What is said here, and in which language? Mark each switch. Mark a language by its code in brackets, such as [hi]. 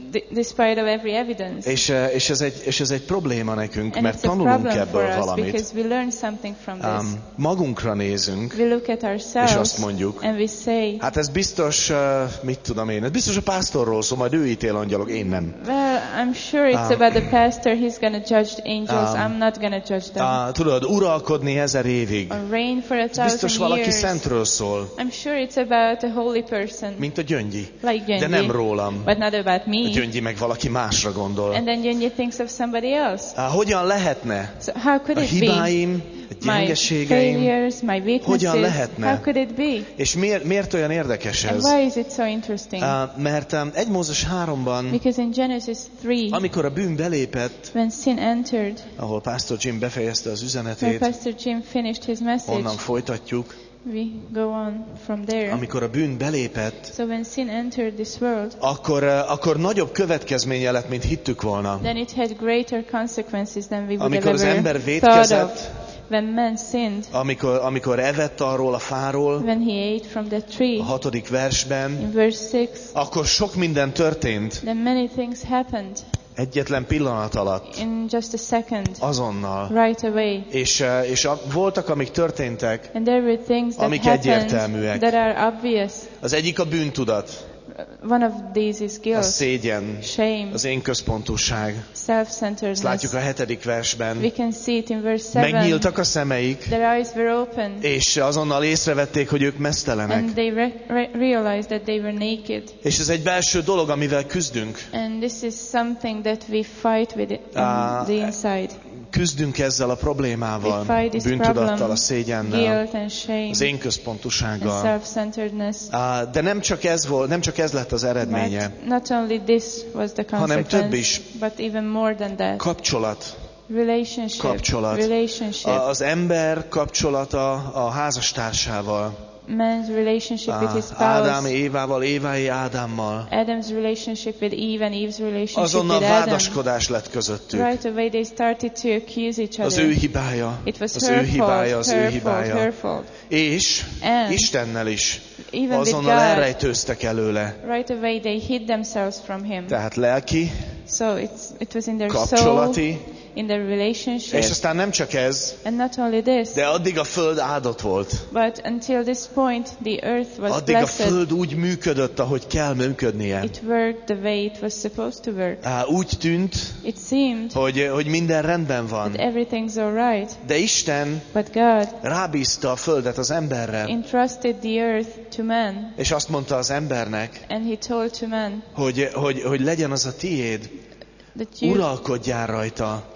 [en] Despite of every evidence. [hu] És ez egy probléma nekünk, [en] and [hu] mert tanulunk ebből valamit. [en] Because we learn something from this. [hu] Magunkra nézünk, [en] we look at ourselves, [hu] és azt mondjuk, [en] and we say, [hu] hát ez biztos, mit tudom én, ez biztos a pásztorról szól, majd ő ítél angyalok, én nem. [en] Well, I'm sure it's about the pastor, he's gonna judge the angels, I'm not gonna judge them. [hu] Tudod, uralkodni 1000 évig. [en] Or reign for 1000 years. [hu] Biztos valaki szentről szól. [en] I'm sure it's about a holy person. [hu] Mint a Gyöngyi. [en] Like Gyöngyi. [hu] De nem rólam. [en] But not about me. [hu] Gyöngyi meg valaki másra gondol. [en] And then Gyöngyi thinks of somebody else. [hu] Hogyan lehetne? [en] So how could it [hu] a hibáim, a gyengeségeim, [en] my failures, my weaknesses, [hu] hogyan lehetne? [en] How could it be? [hu] És miért olyan érdekes ez? [en] And why is it so interesting? [hu] Mert 1 Mózes 3-ban, [en] because in Genesis 3, [hu] amikor a bűn belépett, [en] when sin entered, [hu] ahol Pastor Jim befejezte az üzenetét, [en] where Pastor Jim finished his message, [hu] onnan folytatjuk, [en] we go on from there. [hu] Amikor a bűn belépett, [en] so when sin entered this world, [hu] akkor nagyobb következménye lett, mint hittük volna. [en] Then it had greater consequences than we would [hu] amikor [en] have ever thought of. [hu] Amikor az ember vétkezett, [en] when man sinned, [hu] amikor evett arról a fáról, [en] when he ate from the tree, [hu] a 6. versben, [en] in verse 6, [hu] akkor sok minden történt. [en] Then many things happened. [hu] Egyetlen pillanat alatt. [en] In just a second. [hu] Azonnal. [en] Right away. [hu] És voltak, amik történtek, [en] and there were things that [hu] amik egyértelműek. [en] That are obvious. [hu] Az egyik a bűntudat. [en] One of these is guilt. [hu] A szégyen. [en] Shame. [hu] Az én központúság. [en] Self-centeredness. [hu] Ezt látjuk a 7. versben. [en] We can see it in verse 7. [hu] Megnyíltak a szemeik. [en] Their eyes were open. [hu] És azonnal észrevették, hogy ők mesztelenek. [en] And they realized that they were naked. [hu] És ez egy belső dolog, amivel küzdünk. [en] And this is something that we fight with in the inside. [hu] Küzdünk ezzel a problémával, bűntudattal, a szégyennel, [en] guilt and shame, [hu] az én központusággal. [en] And self-centeredness. [hu] De nem csak ez volt, nem csak ez lett az eredménye, [en] not only this was the consequence, [hu] hanem több is. [en] But even more than that. [hu] Kapcsolat. kapcsolat. Az ember kapcsolata a házastársával. [en] Man's relationship with his spouse. [hu] Ádám Évával, Évái Ádámmal. [en] Adam's relationship with Eve and Eve's relationship [hu] azonnal [en] with Adam. [hu] Azonnal vádaskodás lett közöttük. [en] Right away they started to accuse each other. [hu] Az ő hibája. [en] It was [hu] az [en] her fault, [hu] hibája, az [en] her [hu] ő [en] fault, [hu] hibája. [en] Her fault. [hu] És [en] and [hu] Istennel is. [en] Even [hu] azonnal [en] with God, [hu] elrejtőztek előle. [en] Right away they hid themselves from him. [hu] Tehát lelki. [en] So it was in their [hu] kapcsolati [en] soul. In their relationship. [hu] És aztán nem csak ez, [en] and not only this, [hu] de addig a föld áldott volt. [en] But until this point, the earth was [hu] addig [en] blessed. [hu] Addig a föld úgy működött, ahogy kell működnie. [en] It worked the way it was supposed to work. [hu] Úgy tűnt, [en] it seemed, [hu] hogy minden rendben van. [en] That everything's all right. [hu] De Isten, [en] but God, [hu] rábízta a földet az emberre. [en] Entrusted the earth to man. [hu] És azt mondta az embernek, [en] and he told to man, [hu] hogy legyen az a tiéd. Uralkodjál rajta,